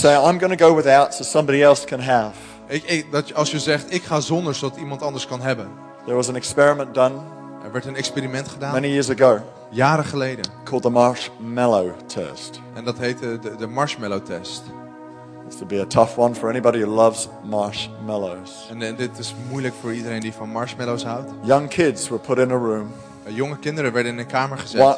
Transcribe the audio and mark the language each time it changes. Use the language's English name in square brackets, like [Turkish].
[English] You say, I'm going to go without so somebody else can have. [Dutch] Als je zegt, ik ga zonder zodat iemand anders kan hebben. [English] There was an experiment done. [Dutch] Er werd een experiment gedaan. [English] Many years ago. [Dutch] Jaren geleden. [English] Called the marshmallow test. [Dutch] En dat heette de marshmallow test. [English] It's to be a tough one for anybody who loves marshmallows. [Dutch] En dit is moeilijk voor iedereen die van marshmallows houdt. [English] Young kids were put in a room. [Dutch] Jonge kinderen werden in een kamer gezet.